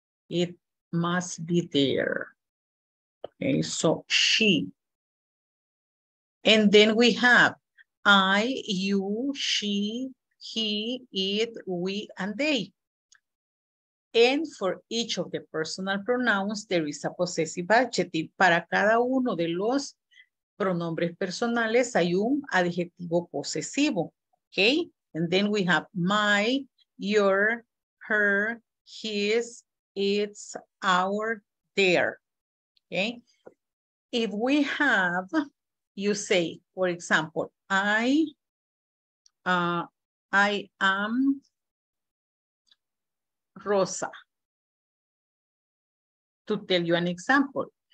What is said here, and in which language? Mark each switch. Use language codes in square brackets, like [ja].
[en] It must be there. Okay, so she. And then we have I, you, she, he, it, we, and they. And for each of the personal pronouns, there is a possessive adjective. [es] Para cada uno de los pronombres personales, hay un adjetivo posesivo. [en] Okay. And then we have my, your, her, his, its, our, their, okay? If we have, you say, for example, I am Rosa, to tell you an example.